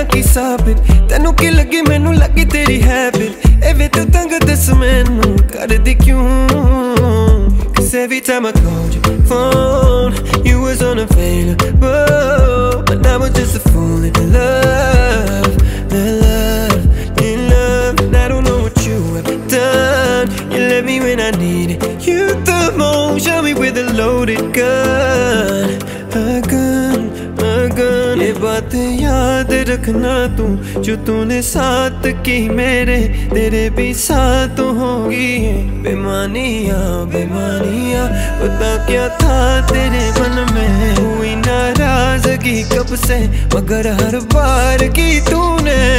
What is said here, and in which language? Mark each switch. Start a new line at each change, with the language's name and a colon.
Punjabi: तेनू की लगी मैनू लगी तेरी है बिल, एवे तो तंग दस मैनू कर दी क्यों।
English: Cause every time I called your phone, you was unavailable, and I was just a fool in love, in love, in love. And I don't know what you have done, you left me when I needed you the most. Shot me with a loaded gun, a gun, a gun.
Hindi: ये बातें याद रखना तू, जो तूने साथ की मेरे, तेरे भी साथ होगी। बेमानियां बेमानियां, पता क्या था तेरे मन में, हुई नाराजगी कब से, मगर हर बार की तूने।